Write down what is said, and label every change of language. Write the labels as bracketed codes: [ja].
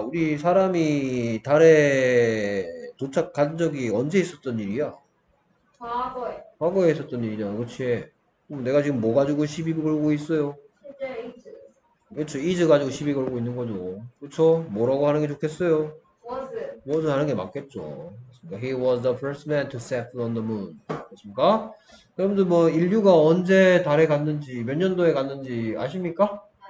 [ko] 우리 사람이 달에 도착한 적이 언제 있었던 일이야? 과거에 과거에 있었던 일이잖아. 그렇지? 그럼 내가 지금 뭐 가지고 시비 걸고 있어요? 그렇죠. is 가지고 시비 걸고 있는 거죠. 그렇죠? 뭐라고 하는 게 좋겠어요? [en] was [ko] 뭐든 하는 게 맞겠죠. [en] He was the first man to set foot on the moon. [ko] 그렇습니까? 여러분들 뭐 인류가 언제 달에 갔는지 몇 년도에 갔는지 아십니까?